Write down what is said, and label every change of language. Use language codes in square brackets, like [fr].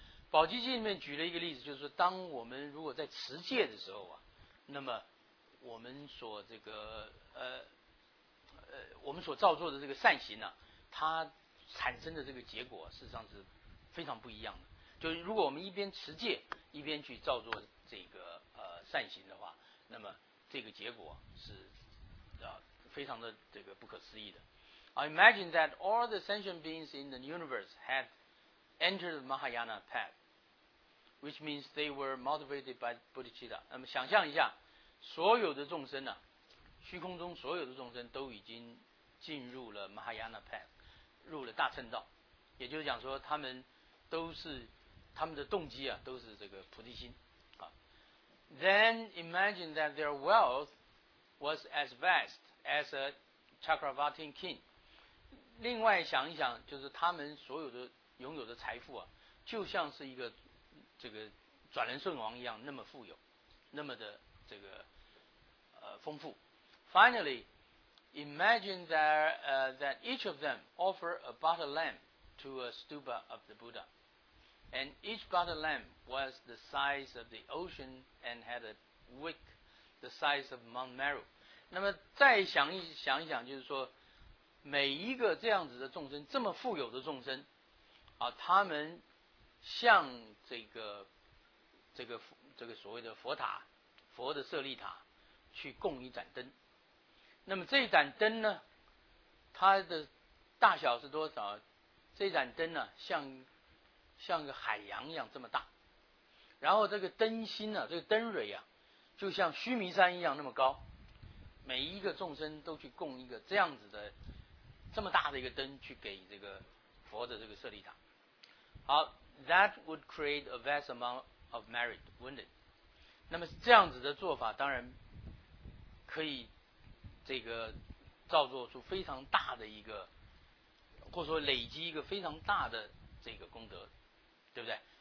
[zh] 宝积经里面举了一个例子，就是说当我们如果在持戒的时候啊，那么我们所这个我们所造作的这个善行呢、啊、它产生的这个结果事实上是非常不一样的，就是如果我们一边持戒一边去造作这个善行的话，那么这个结果是非常的这个不可思议的。 [en] I imagine that all the sentient beings in the universe had entered the Mahayana path,which means they were motivated by Bodhicitta. [zh] 那么想象一下，所有的众生呢、啊，虚空中所有的众生都已经进入了 Mahayana path， 入了大乘道，也就是讲说他们都是他们的动机啊，都是这个菩提心啊。 [en] Then imagine that their wealth was as vast as a Chakravarti king. [zh] 另外想一想，就是他们所有的拥有的财富啊，就像是一个这个转轮圣王一样那么富有，那么的这个丰富。 [en] Finally, imagine that each of them offer a butter lamp to a stupa of the Buddha, and each butter lamp was the size of the ocean and had a wick the size of Mount Meru. [zh] 那么再想一想，就是说每一个这样子的众生，这么富有的众生啊，他们。像这个所谓的佛塔，佛的舍利塔，去供一盏灯。那么这一盏灯呢，它的大小是多少？这盏灯呢，像个海洋一样这么大。然后这个灯芯呢、啊，这个灯蕊啊，就像须弥山一样那么高。每一个众生都去供一个这样子的这么大的一个灯，去给这个佛的这个舍利塔。好。 [en] That would create a vast amount of merit, wouldn't it? [zh] 那么这样子的做法当然可以这个造作出非常大的一个，或者说累积一个非常大的这个功德，对不对？